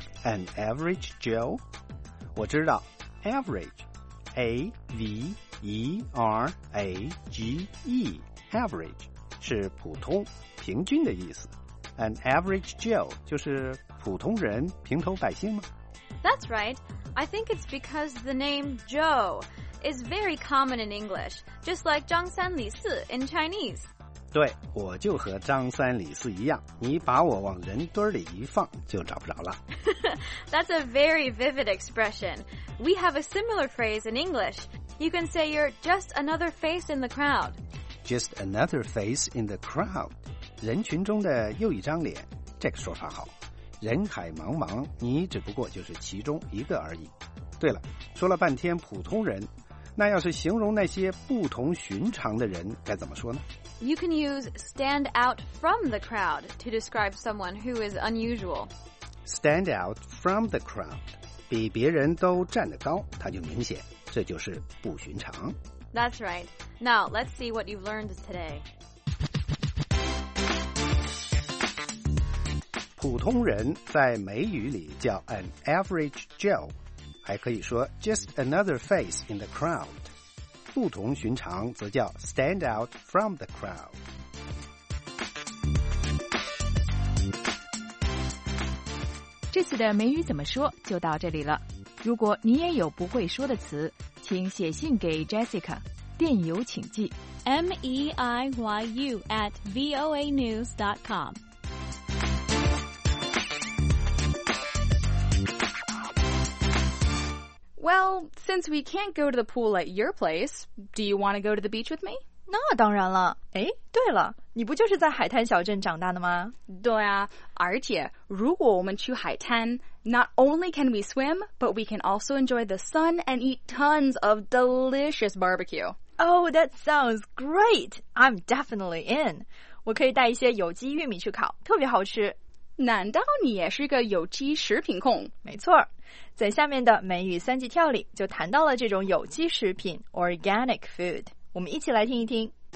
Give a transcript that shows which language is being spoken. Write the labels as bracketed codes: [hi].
[zh] An average Joe? 我知道 ,average, A-V-E-R-A-G-E, average, 是普通、平均的意思。 An average Joe 就是普通人、平头百姓吗？ [en] That's right. I think it's because the name Joe is very common in English, just like 张三李四 in Chinese. [zh] 对，我就和张三李四一样，你把我往人堆里一放就找不着了。 [en] That's a very vivid expression. We have a similar phrase in English. You can say you're just another face in the crowd. Just another face in the crowd. [zh] 人群中的又一张脸，这个说法好。人海茫茫，你只不过就是其中一个而已。对了，说了半天普通人，那要是形容那些不同寻常的人该怎么说呢？ [en] You can use stand out from the crowd to describe someone who is unusual. Stand out from the crowd. [zh] 比别人都站得高，他就明显，这就是不寻常。 [en] That's right. Now, let's see what you've learned today. [zh] 普通人在美语里叫 an average Joe， 还可以说 [en] just another face in the crowd， [zh] 不同寻常则叫 [en] stand out from the crowd。 [zh] 这次的美语怎么说就到这里了。如果你也有不会说的词，请写信给 Jessica， 电邮请寄 [en] meiyu@voanews.com。 Well, since we can't go to the pool at your place, do you want to go to the beach with me? [zh] 那当然了。哎，对了，你不就是在海滩小镇长大的吗？对啊，而且如果我们去海滩， [en] not only can we swim, but we can also enjoy the sun and eat tons of delicious barbecue. Oh, that sounds great. I'm definitely in. [zh] 我可以带一些有机玉米去烤，特别好吃。难道你也是个有机食品控？没错，在下面的美语三级跳里就谈到了这种有机食品 organic food。我们一起来听一听。